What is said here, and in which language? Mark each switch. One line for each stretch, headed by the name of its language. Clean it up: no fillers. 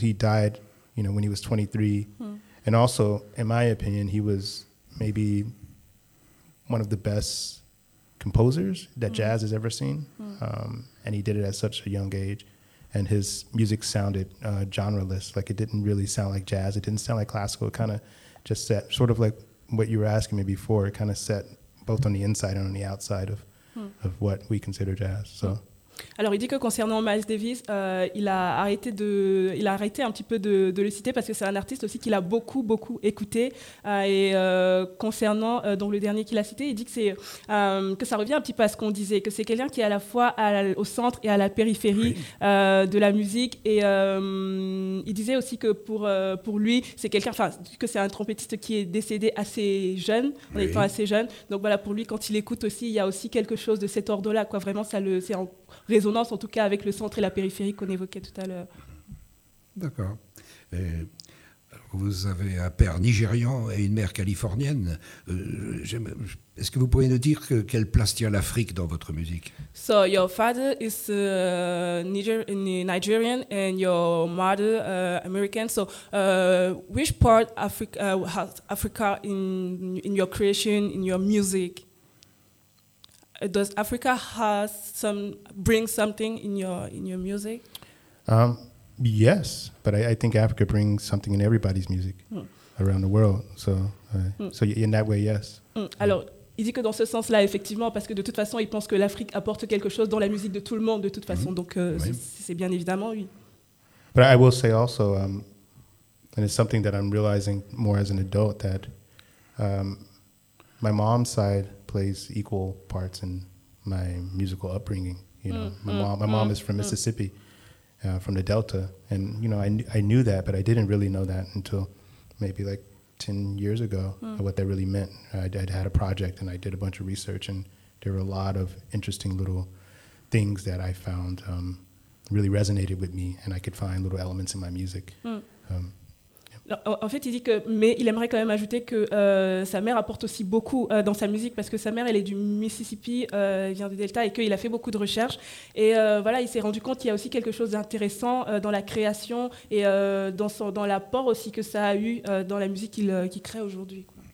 English: He died, you know, when he was 23. Mm. And also, in my opinion, he was maybe one of the best composers that jazz has ever seen. Mm. And he did it at such a young age. And his music sounded genreless. Like, it didn't really sound like jazz. It didn't sound like classical. It kind of just set, sort of like what you were asking me before, it kind of set both on the inside and on the outside of what we consider jazz. So.
French: Alors, il dit que concernant Miles Davis, il a arrêté un petit peu de le citer parce que c'est un artiste aussi qu'il a beaucoup, beaucoup écouté. Donc le dernier qu'il a cité, il dit que que ça revient un petit peu à ce qu'on disait, que c'est quelqu'un qui est à la fois au centre et à la périphérie de la musique. Et il disait aussi que pour lui, c'est quelqu'un, enfin, que c'est un trompettiste qui est décédé assez jeune, en étant assez jeune. Donc voilà, pour lui, quand il écoute aussi, il y a aussi quelque chose de cet ordre-là, quoi. Vraiment, c'est en résonance, en tout cas, avec le centre et la périphérie qu'on évoquait tout à l'heure. D'accord. Vous avez un père nigérian et une mère californienne. Est-ce que vous pouvez nous dire quelle place tient l'Afrique dans votre musique?
English: So your father is Nigerian and your mother American. So which part Africa in your creation, in your music? Does Africa has some bring something in your music? Yes, but I think Africa brings something in everybody's music around the world. So in that way, yes.
French: Alors, il dit que dans ce sens-là, effectivement, parce que de toute façon, il pense que l'Afrique apporte quelque chose dans la musique de tout le monde, de toute façon. Donc, c'est bien évidemment, oui.
English: But I will say also, and it's something that I'm realizing more as an adult, that my mom's side plays equal parts in my musical upbringing. You know, my mom is from Mississippi. From the Delta, and you know, I knew that, but I didn't really know that until maybe like 10 years ago, what that really meant. I'd had a project, and I did a bunch of research, and there were a lot of interesting little things that I found really resonated with me, and I could find little elements in my music.
French: En fait, il dit que, mais il aimerait quand même ajouter que sa mère apporte aussi beaucoup dans sa musique parce que sa mère, elle est du Mississippi, vient du Delta et qu'il a fait beaucoup de recherches. Et voilà, il s'est rendu compte qu'il y a aussi quelque chose d'intéressant dans la création et dans l'apport aussi que ça a eu dans la musique qu'il crée aujourd'hui.